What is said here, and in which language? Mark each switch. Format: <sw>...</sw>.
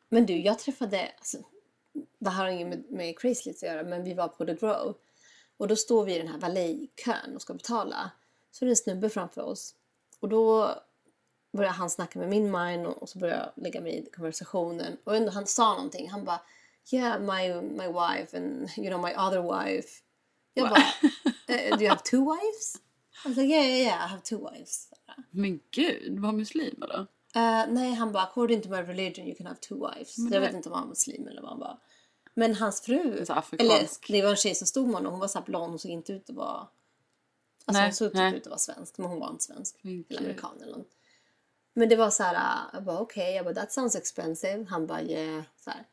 <sv>Men du, jag träffade, alltså, det här har inget med Craigslist att göra, men vi var på The Grove. Och då står vi i den här valet-kön och ska betala. Så är det en snubbe framför oss. Och då börjar han snacka med min mind. Och så börjar jag lägga mig i konversationen. Och ändå han sa någonting. Han bara,</sv> <en>yeah, my wife and you know my other wife.</en> <sv>Jag bara,</sv> <en>do you have two wives?</en> <sv>Han sa,</sv> <en>yeah, I have two wives.</en> <sv>Men gud, var muslim eller? Nej, han bara,</sv> <en>according to my religion you can have two wives.</en> <sv>Men jag vet inte om han var muslim eller vad han bara... Men hans fru, eller det var en tjej som stod med honom, hon var så här blond, hon såg inte ut att vara, alltså nej, hon såg inte ut att vara svensk, men hon var inte svensk, eller amerikan eller något. Men det var så här, jag bara okej, okay. Jag bara</sv> <en>that sounds expensive,</en> <sv>han bara yeah, så här.</sv>